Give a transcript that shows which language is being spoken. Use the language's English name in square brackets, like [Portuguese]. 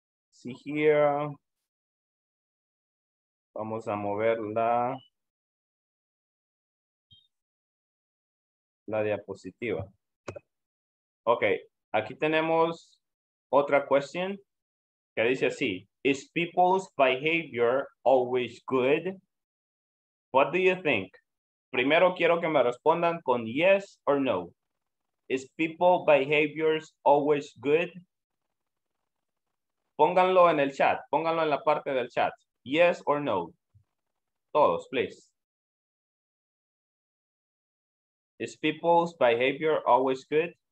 [English] See here. [Spanish] Vamos a mover la diapositiva. Ok, aquí tenemos otra question que dice así. [English] Is people's behavior always good? What do you think? [Spanish] Primero quiero que me respondan con [English] yes or no. Is people's behavior always good? [Spanish] Pónganlo en el chat. Pónganlo en la parte del chat. [English] Yes or no. [Spanish] Todos, please. [English] Is people's behavior always good?